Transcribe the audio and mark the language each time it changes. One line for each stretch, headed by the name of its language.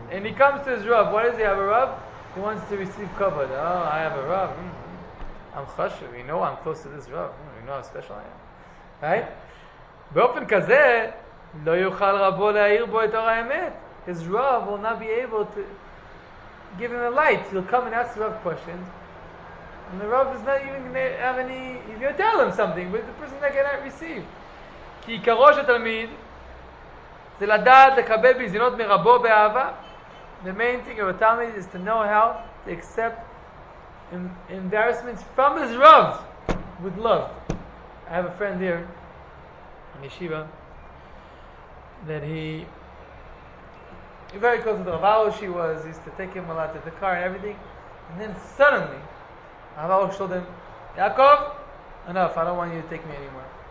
English: And he comes to his Rav. Why does he have a Rav? He wants to receive kavod. Oh, I have a Rav. I'm chashuv. You know I'm close to this Rav. You know how special I am. Right?
Hebrew: באופן כזה, לא יוכל רבו להאיר בו את אור האמת.
English: His Rav will not be able to give him a light. He'll come and ask the Rav questions. And the Rav is not even going to have any... He's going to tell him something, but the person that cannot receive.
Hebrew: כי עיקרו של תלמיד זה לדעת לקבל בזינות מרבו באהבה.
English: the main thing of a Talmid is to know how to accept embarrassments from his Rav with love. I have a friend here in Yeshiva that he very close to the Rav Arush, he used to take him a lot to the car and everything, and then suddenly Rav Arush told him, Yaakov, enough, I don't want you to take me anymore.